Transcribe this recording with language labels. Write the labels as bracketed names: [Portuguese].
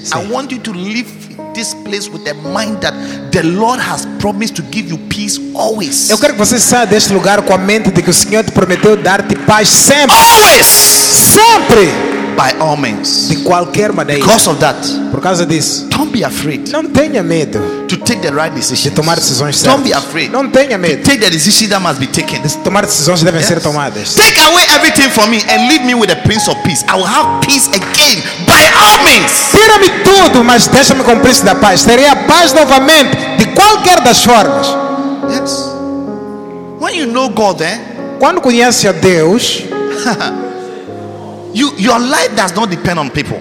[Portuguese] Sim. [English] I want you to leave this place with the mind that the Lord has promised to give you peace always. [Portuguese] Eu quero que você saia deste lugar com a mente de que o Senhor te prometeu dar-te paz sempre. [English] Always. [Portuguese] Sempre. [English] By all means. [Portuguese] De qualquer maneira. [English] Because of that. [Portuguese] Por causa disso. [English] Don't be afraid. [Portuguese] Não tenha medo. [English] To take the right decision. [Portuguese] De tomar decisões certas. [English] Don't be afraid. [Portuguese] Não tenha medo. [English] To take the decision that must be taken. [Portuguese] De tomar decisões que devem ser tomadas. [English] Take away everything from me and leave me with the Prince of Peace. I will have peace again. By all means. [Portuguese] Tira-me tudo, mas deixa-me com o Príncipe da Paz. Terei a paz novamente, de qualquer das formas. [English] Yes. When you know God, eh? [Portuguese] Quando conhece a Deus, [English] your life does not depend on people.